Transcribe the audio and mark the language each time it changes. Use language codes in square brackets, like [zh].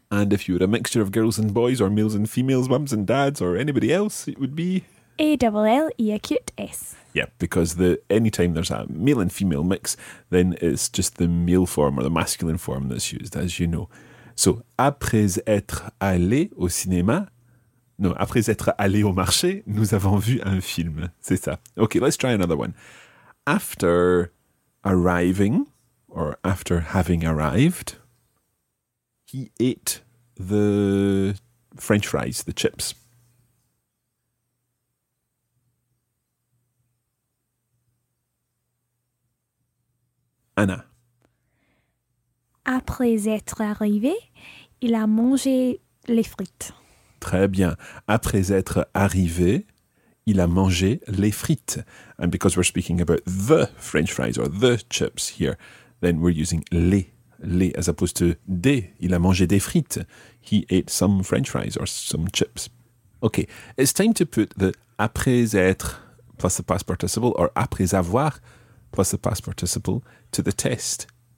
[en] And if you were a mixture of girls and boys, or males and females, mums and dads, or anybody else, it would be? A-double-L-E-acute-S. Yeah, because the any time there's a male and female mix, then it's just the male form or the masculine form that's used, as you know. [fr] So, après être allé au cinéma... Non, après être allé au marché, nous avons vu un film. C'est ça. [en] Okay, let's try another one. After arriving, or after having arrived, he ate the French fries, the chips. Anna. [fr] Après être arrivé, il a mangé les frites. Très bien. Après être arrivé, il a mangé les frites. [en] And because we're speaking about the French fries or the chips here, then we're using les as opposed to des. [fr] Il a mangé des frites. [en] He ate some French fries or some chips. Okay, it's time to put the [fr] après être [en] plus the past participle or [fr] après avoir [en] plus the past participle to the test.